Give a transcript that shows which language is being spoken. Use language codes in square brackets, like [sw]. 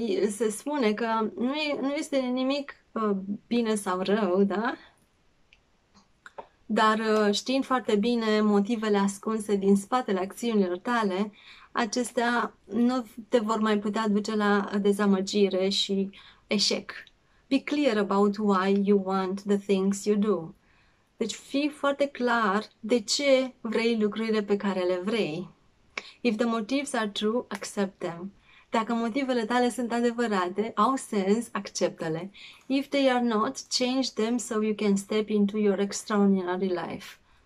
[ro] Se spune că nu este nimic bine sau rău, da? Dar știind foarte bine motivele ascunse din spatele acțiunilor tale, acestea nu te vor mai putea duce la dezamăgire și eșec. [en] Be clear about why you want the things you do. [ro] Deci fii foarte clar de ce vrei lucrurile pe care le vrei. [en] If the motives are true, accept them. [ro] Dacă motivele tale sunt adevărate, au sens, acceptă-le. [en] If they are not, change them so you can step into your extraordinary life.